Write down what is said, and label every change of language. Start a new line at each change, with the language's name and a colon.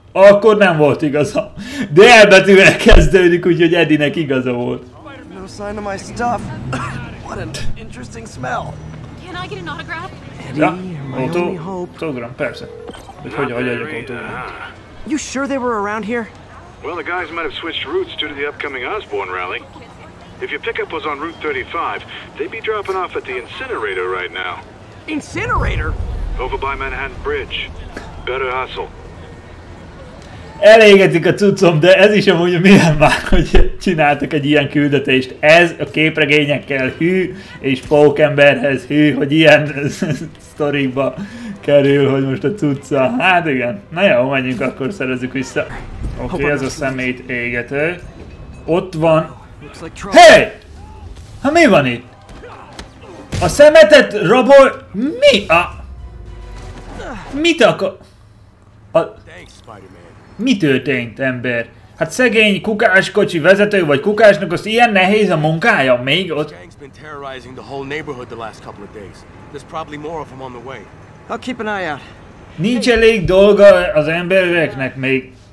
Hungarian: Akkor nem volt igaza. De elbetűvel kezdődik, úgyhogy Eddie-nek igaza volt.
English: No sign of my stuff. What an interesting smell. Can I get an autograph? Eddie, my only hope.
Hungarian: Autogram, persze. Hogy hogy adjak autogram.
English: You sure they were around here? Well, the guys might have switched routes due to the upcoming Osborne rally. If your pickup was on Route 35, they'd be dropping off at the incinerator right now. Incinerator? Over by Manhattan Bridge. Better hustle.
Hungarian: Elégetik a cuccom, de ez is amúgy milyen már, hogy csináltak egy ilyen küldetést. Ez a képregényekkel hű, és pókemberhez hű, hogy ilyen sztorikba kerül, hogy most a cucca. Hát igen. Na jó, menjünk, akkor szerezzük vissza. Oké, okay, ez a szemét égető. Ott van. Hey! Ha mi van itt? A szemetet rabol... Mi a... Mit akar... A... Mi történt, ember? Hát szegény kukáskocsi vezető vagy kukásnak, az ilyen nehéz a munkája, még ott...
English: Gang's been terrorizing the whole neighborhood the last couple of days. There's probably more of them on the way. I'll keep an eye out.
Hungarian: Nincs elég dolga az embereknek még.